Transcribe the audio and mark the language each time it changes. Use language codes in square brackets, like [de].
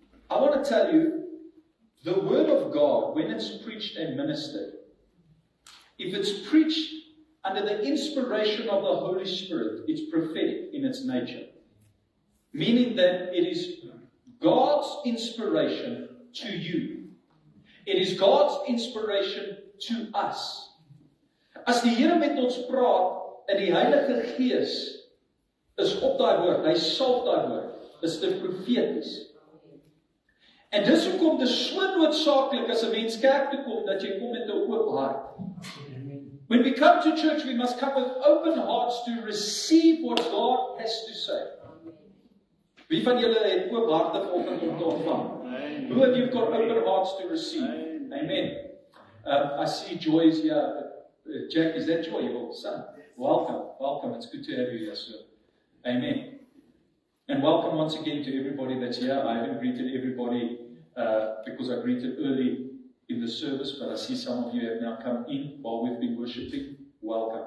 [en] I want to tell you, the word of God, when it's preached and ministered, if it's preached under the inspiration of the Holy Spirit, it's prophetic in its nature. Meaning that it is God's inspiration to you. It is God's inspiration to us. [af] As die Here met ons praat, en die Heilige Gees is op die woord, hy sal die woord, is die profeties. En dis hoekom dis so noodsaaklik as 'n mens kerk toe kom, dat jy kom met 'n oop hart. [en] When we come to church, we must come with open hearts to receive what God has to say. [af] Wie van julle het oop harte vanoggend om te ontvang? [en] Who have you got open hearts to receive? Amen. I see Joy is here. Jack, is that Joy, your son? Welcome, welcome. It's good to have you here, sir. Amen. And welcome once again to everybody that's here. I haven't greeted everybody because I greeted early in the service, but I see some of you have now come in while we've been worshiping. Welcome.